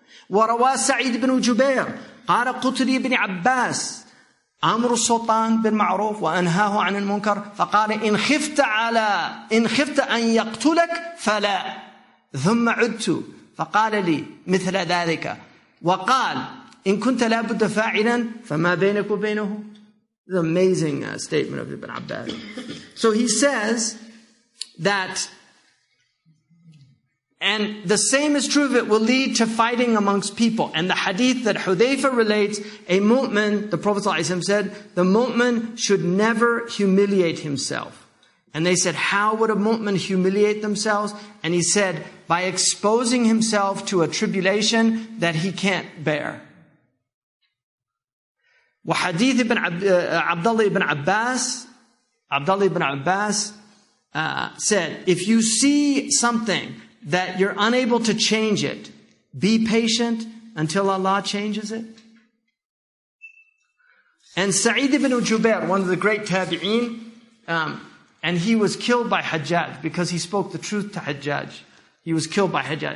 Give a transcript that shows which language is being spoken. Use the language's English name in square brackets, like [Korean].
[Arabic] ورواه سعيد بن جبير قال قتلي بن عباس أمر السلطان بالمعروف وأنهاه عن المنكر فقال إن خفت أن يقتلك فلا ثم عدت فقال لي مثل ذلك وقال إن كنت لابد فاعلا فما بينك وبينه. [English] The amazing statement of Ibn Abbas. So he says that, and the same is true of it, will lead to fighting amongst people. And the hadith that Hudhayfa relates, a mu'min, the Prophet ﷺ said, the mu'min should never humiliate himself. And they said, how would a mu'min humiliate themselves? And he said, by exposing himself to a tribulation that he can't bear. [Arabic] وحديث ابن عبد الله ابن عباس [English] said, if you see something that you're unable to change it, be patient until Allah changes it. And Sa'id ibn Jubair, one of the great tabi'een, and he was killed by Hajjaj because he spoke the truth to Hajjaj. He was killed by Hajjaj.